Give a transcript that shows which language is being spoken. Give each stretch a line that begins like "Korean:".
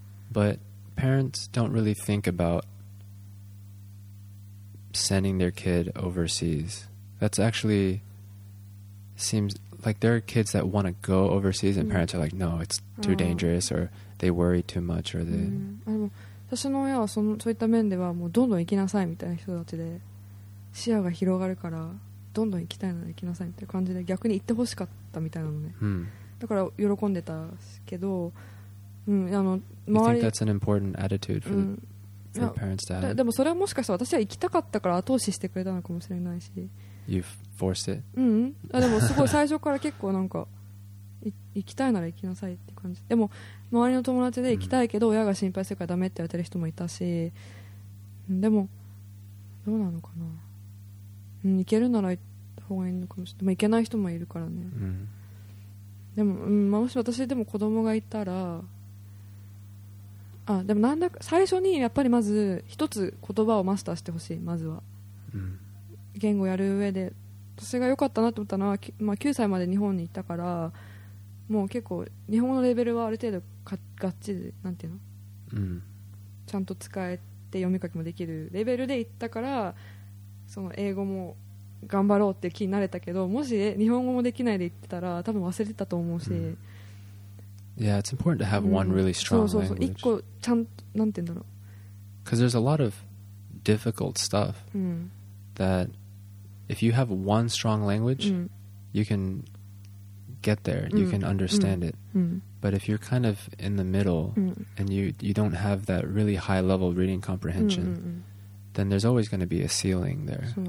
English: But parents don't really think about sending their kid overseas. That's actually seems like there are kids that want to go overseas and parents are like, no, it's too dangerous or they worry too much or they...
Japanese: 私の親はそのそういった面ではもうどんどん行きなさいみたいな人たちで視野が広がるからどんどん行きたいので行きなさいっていう感じで逆に行ってほしかったみたいなのね。だから喜んでたけど、あの
English: 周り。You think that's an important attitude for parents to have?
Japanese: でもそれはもしかしたら私は行きたかったから後押ししてくれたのかもしれないし。
English: You forced it?
Japanese: あでもすごい最初から結構なんか行きたいなら行きなさいって感じ。でも周りの友達で行きたいけど親が心配するからダメって言われてる人もいたし、でもどうなのかな、行けるなら行った方がいいのかもしれない。でも行けない人もいるからね。でも、もし私でも子供がいたら、あでもなんだか最初にやっぱりまず一つ言葉をマスターしてほしい。まずは言語やる上で私が良かったなと思ったのは、まあ、9歳まで日本にいたからもう結構日本語のレベルはある程度がっちりなんていうの、ちゃんと使えて読み書きもできるレベルで行ったからその英語も頑張ろうって気になれたけど、もし日本語もできないで行ってたら多分忘れてたと思うし、
English: Yeah, it's important to have one really strong language.
Japanese: そうそうそう、一個ちゃんとなんていうんだろう、
English: Because there's a lot of difficult stuff that if you have one strong language, you can get there, you can understand it. But if you're kind of in the middle and you don't have that really high level reading comprehension, then there's always going to be a ceiling there.